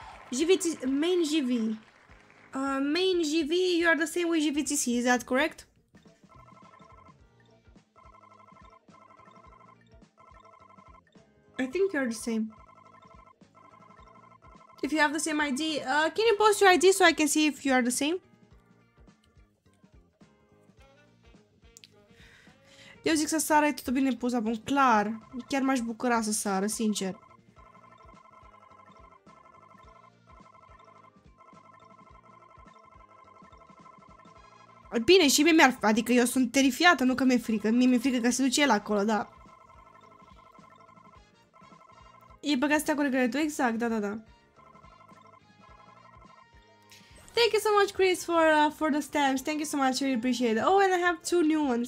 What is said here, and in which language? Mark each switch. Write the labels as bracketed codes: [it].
[en] GVT, main GV. Main GV, you are the same with GVTC, is that correct? I think you are the same. If you have the same ID, can you post your ID so I can see if you are the same? [ro] Eu zic să sară, e tot bine pus, bun, clar. Chiar m-aș bucura să sară, sincer. Bine, și mie mi-ar... Adică eu sunt terifiată, nu că mi-e frică. Mie mi-e frică că se duce el acolo, da. E băgat să te acolo greu, exact, da. [en] Thank you so much, Chris, for the stamps. Thank you so much, I really appreciate it. Oh, and I have two new ones.